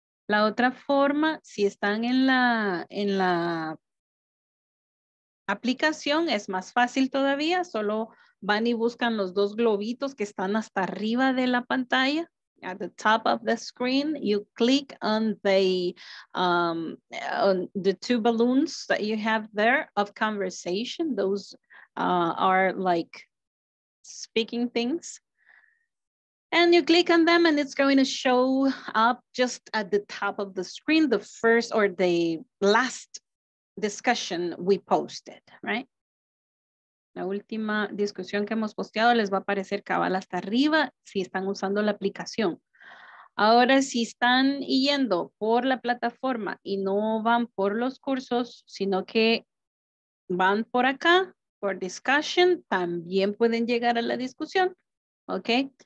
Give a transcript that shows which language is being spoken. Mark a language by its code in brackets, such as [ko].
[es] La otra forma, si están en la aplicación, es más fácil todavía. Solo van y buscan los dos globitos que están hasta arriba de la pantalla. [en] At the top of the screen, you click on the two balloons that you have there of conversation. Those are like speaking things. And you click on them and it's going to show up just at the top of the screen, the first or the last discussion we posted, right? [es] La última discusión que hemos posteado les va a aparecer cabal hasta arriba si están usando la aplicación. Ahora, si están yendo por la plataforma y no van por los cursos, sino que van por acá, por discussion, también pueden llegar a la discusión, ¿ok?